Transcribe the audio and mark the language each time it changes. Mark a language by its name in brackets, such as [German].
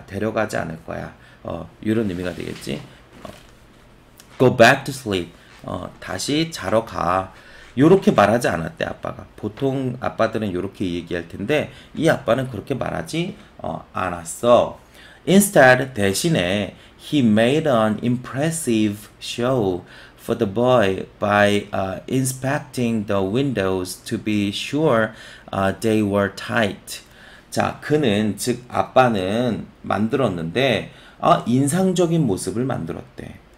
[Korean] 데려가지 않을 거야. 이런 의미가 되겠지? [English] Go back to sleep. [Korean] 다시 자러 가. 요렇게 말하지 않았대, 아빠가. 보통 아빠들은 요렇게 얘기할 텐데, 이 아빠는 그렇게 말하지 않았어. [English] Instead, [Korean] 대신에, [English] he made an impressive show for the boy by inspecting the windows to be sure they were tight. [Korean] 자, 그는, 즉, 아빠는 만들었는데, 인상적인 모습을 만들었대.